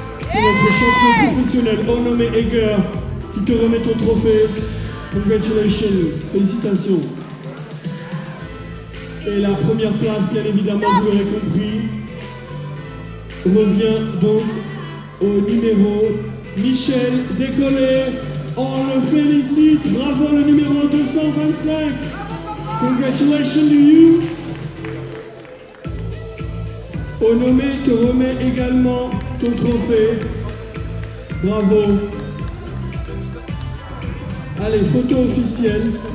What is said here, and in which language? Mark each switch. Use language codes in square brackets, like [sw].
[fr] C'est notre champion professionnel, renommé Egger, qui te remet ton trophée. [en] Congratulations. [fr] Félicitations. Et la première place, bien évidemment, vous l'aurez compris, revient donc au numéro Michel Décollé. On le félicite. Bravo, le numéro 225. [en] Congratulations to you. [fr] Honomé te remet également ton trophée. Bravo. Allez, photo officielle.